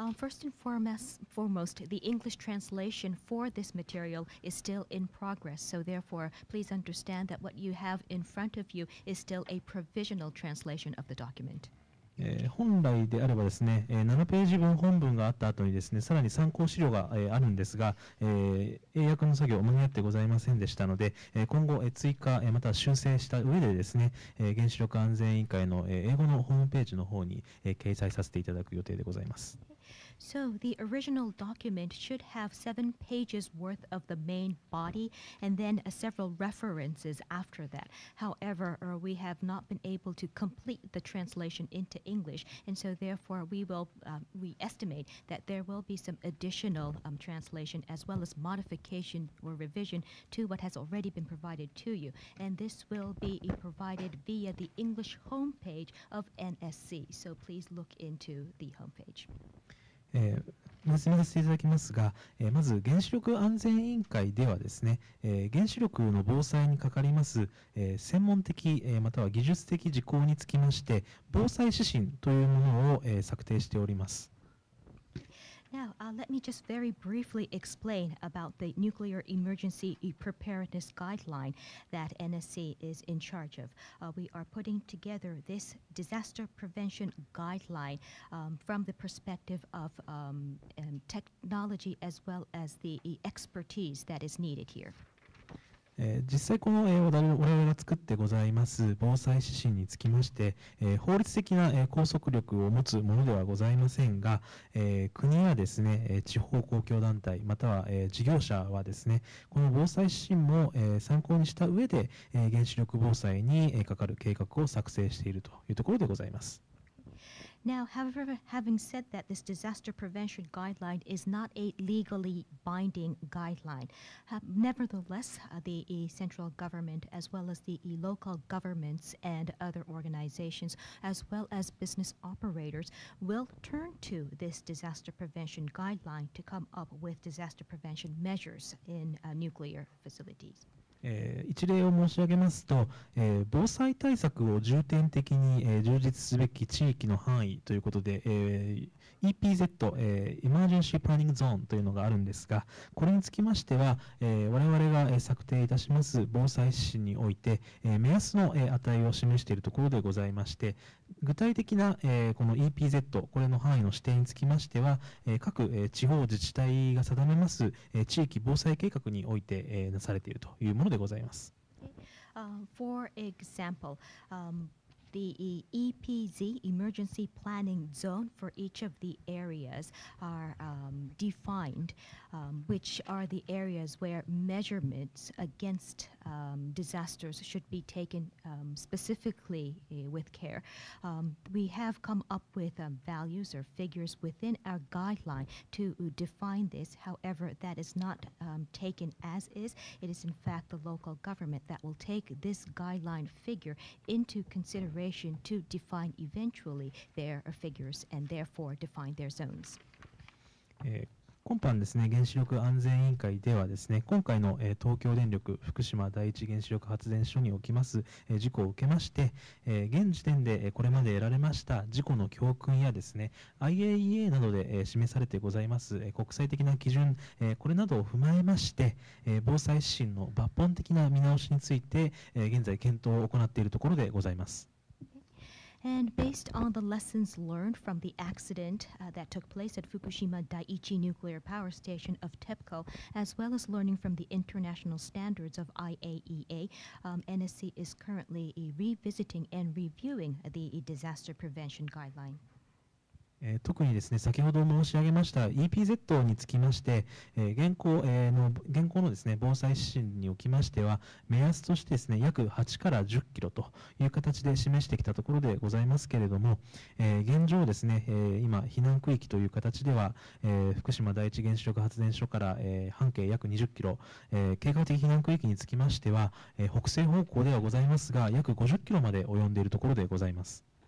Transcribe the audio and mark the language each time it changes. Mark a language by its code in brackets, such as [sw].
[en] First and foremost, the English translation for this material is still in progress. So therefore, please understand that what you have in front of you is still a provisional translation of the document. [ja] 本来であればですね、7ページ分本文があった後にですね、さらに参考資料があるんですが、英訳の作業を間に合ってございませんでしたので、今後追加または修正した上でですね、原子力安全委員会の英語のホームページの方に掲載させていただく予定でございます。 [en] So the original document should have 7 pages worth of the main body and then several references after that. However, we have not been able to complete the translation into English, and so therefore we estimate that there will be some additional translation as well as modification or revision to what has already been provided to you. And this will be provided via the English homepage of NSC. So please look into the homepage. [ja] 説明させていただきますが、まず原子力安全委員会ではですね、原子力の防災にかかります、専門的、または技術的事項につきまして、防災指針というものを、策定しております。 [en] Now, let me just very briefly explain about the Nuclear Emergency Preparedness Guideline that NSC is in charge of. We are putting together this Disaster Prevention Guideline from the perspective of technology as well as the expertise that is needed here. [ja] 実際この我々が作ってございます防災指針につきまして法律的な拘束力を持つものではございませんが国やですね地方公共団体または事業者はですねこの防災指針も参考にした上で原子力防災にかかる計画を作成しているというところでございます。 [en] Now, however, having said that, this disaster prevention guideline is not a legally binding guideline. Nevertheless, the central government, as well as the local governments and other organizations, as well as business operators, will turn to this disaster prevention guideline to come up with disaster prevention measures in nuclear facilities. [ja] 一例を申し上げますと、防災対策を重点的に充実すべき地域の範囲ということで、EPZ、Emergency Planning Zone というのがあるんですが、これにつきましては、我々が策定いたします防災指針において、目安の値を示しているところでございまして、具体的な、この EPZ、これの範囲の指定につきましては、各地方自治体が定めます、地域防災計画において、なされているというものでございます。 [en] For example, the EPZ, Emergency Planning Zone, for each of the areas are defined, which are the areas where measurements against disasters should be taken specifically with care. We have come up with values or figures within our guideline to define this. However, that is not taken as is. It is in fact the local government that will take this guideline figure into consideration to define eventually their figures and therefore define their zones. [ja] 今般ですね、原子力安全委員会ではですね、今回の、東京電力福島第一原子力発電所におきます、事故を受けまして、現時点で、これまで得られました事故の教訓やですね、IAEA などで、示されてございます、国際的な基準、これなどを踏まえまして、防災指針の抜本的な見直しについて、現在検討を行っているところでございます。 [en] And based on the lessons learned from the accident that took place at Fukushima Daiichi Nuclear Power Station of TEPCO, as well as learning from the international standards of IAEA, NSC is currently revisiting and reviewing the disaster prevention guideline. [ja] 特にですね、先ほど申し上げました EPZ につきまして、現行のですね、防災指針におきましては、目安としてですね、約8から10キロという形で示してきたところでございますけれども、現状ですね、今、避難区域という形では、福島第一原子力発電所から半径約20キロ、計画的避難区域につきましては、北西方向ではございますが、約50キロまで及んでいるところでございます。